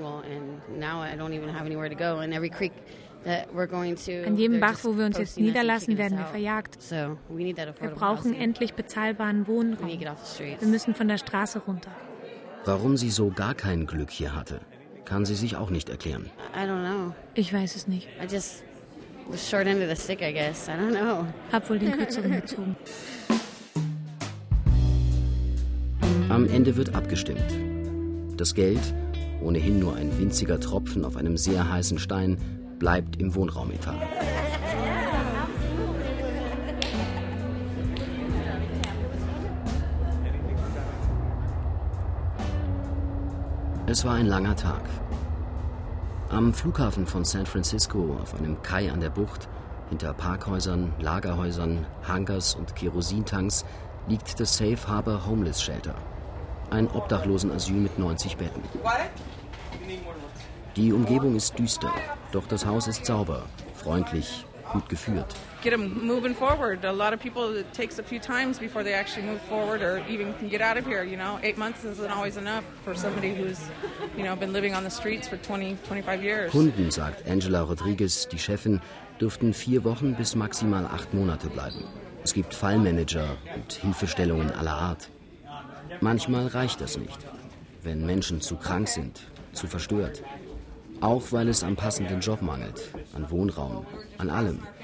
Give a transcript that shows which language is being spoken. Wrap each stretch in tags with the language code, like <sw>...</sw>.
<de>An jedem Bach, wo wir uns jetzt niederlassen, werden wir verjagt. Wir brauchen endlich bezahlbaren Wohnraum. Wir müssen von der Straße runter. Warum sie so gar kein Glück hier hatte, kann sie sich auch nicht erklären.</de> <en>I don't know.</en> <de>Ich weiß es nicht.</de> <en>I just was short end of the stick, I guess. I don't know.</en> <de>Hab wohl den Kürzeren gezogen. Am Ende wird abgestimmt. Das Geld, ohnehin nur ein winziger Tropfen auf einem sehr heißen Stein, bleibt im Wohnraumetat. Es war ein langer Tag. Am Flughafen von San Francisco, auf einem Kai an der Bucht, hinter Parkhäusern, Lagerhäusern, Hangars und Kerosintanks, liegt das Safe Harbor Homeless Shelter. Ein Obdachlosenasyl mit 90 Betten. Die Umgebung ist düster, doch das Haus ist sauber, freundlich, gut geführt.</de> <en>Get them moving forward. A lot of people, it takes a few times before they actually move forward or even can get out of here, you know. 8 months isn't always enough for somebody who's, you know, been living on the streets for 20-25 years.</en> <de>Kunden, sagt Angela Rodriguez, die Chefin, dürften 4 Wochen bis maximal 8 Monate bleiben. Es gibt Fallmanager und Hilfestellungen aller Art. Manchmal reicht das nicht. wenn Menschen zu krank sind, zu verstört. Auch weil es am passenden Job mangelt, an Wohnraum, an allem.</de>